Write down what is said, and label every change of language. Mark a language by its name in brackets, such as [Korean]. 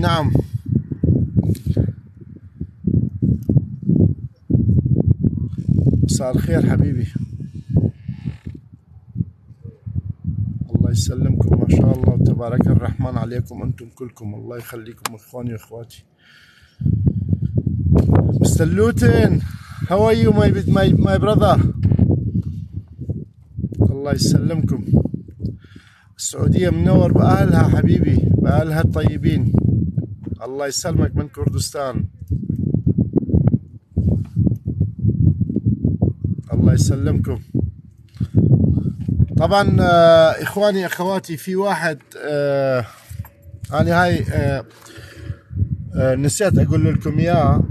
[Arabic] نعم مساء الخير حبيبي، يسلمكم ما شاء الله وتبارك الرحمن عليكم أنتم كلكم، الله يخليكم أخواني وأخواتي. مستر لوتن، [English] how are you my brother؟ [Arabic] الله يسلمكم. السعودية منور بأهلها حبيبي، بأهلها الطيبين، الله يسلمك من كردستان. الله يسلمكم. طبعا اخواني اخواتي في واحد يعني هاي نسيت اقول لكم اياه.